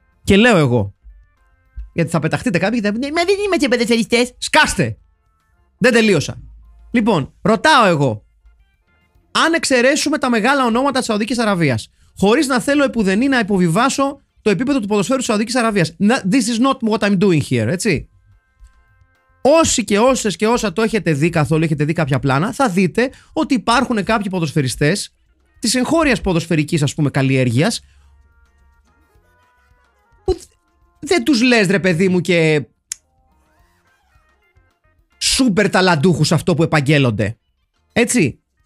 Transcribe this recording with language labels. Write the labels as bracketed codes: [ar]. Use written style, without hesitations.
[el] Και λέω εγώ, γιατί θα πεταχτείτε κάποιοι και θα πούνε, μα δεν είμαστε και ποδοσφαιριστές. Σκάστε! Δεν τελείωσα. Λοιπόν, ρωτάω εγώ, αν εξαιρέσουμε τα μεγάλα ονόματα της Σαουδικής Αραβίας, χωρίς να θέλω επουδενή να υποβιβάσω το επίπεδο του ποδοσφαίρου της Σαουδικής Αραβίας. [en] This is not what I'm doing here, έτσι. [el] Όσοι και όσες και όσα το έχετε δει καθόλου, έχετε δει κάποια πλάνα, θα δείτε ότι υπάρχουν κάποιοι ποδοσφαιριστές της εγχώριας ποδοσφαιρικής, ας πούμε, καλλιέργειας, που δεν τους λες, ρε παιδί μου, και σούπερ ταλαντούχους αυτό που επαγγέλλονται, έτσι.